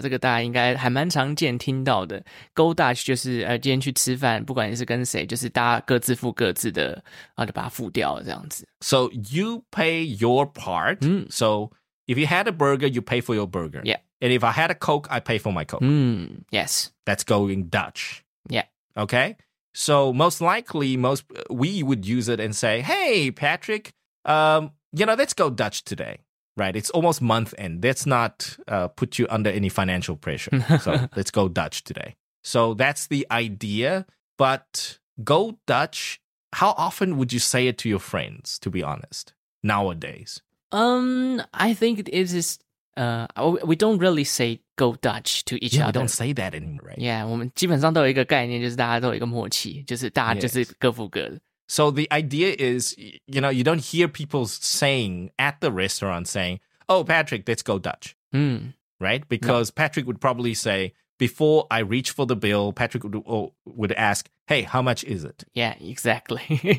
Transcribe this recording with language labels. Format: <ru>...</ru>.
<zh>这个大家应该还蛮常见听到的。Go Dutch 就是今天去吃饭，不管你是跟谁，就是大家各自付各自的，就把它付掉这样子。</zh> <en>So you pay your part. Mm. So if you had a burger, you pay for your burger. Yeah. And if I had a Coke, I pay for my Coke. Mm. Yes. That's going Dutch. Yeah. Okay. So most likely, we would use it and say, hey, Patrick, let's go Dutch today, right? It's almost month end. Let's not put you under any financial pressure. So let's go Dutch today. So that's the idea. But go Dutch, how often would you say it to your friends, to be honest, nowadays? I think it is, we don't really say Go Dutch to each other. We don't say that anymore, right?</en> <zh>Yeah, 我们基本上都有一个概念，就是大家都有一个默契，就是大家就是各付各的。</zh> <en>So the idea is, you know, you don't hear people saying at the restaurant saying, oh, Patrick, let's go Dutch. Mm. Right? Because no. Patrick would probably say, before I reach for the bill, Patrick would ask, hey, how much is it? Yeah, exactly.</en>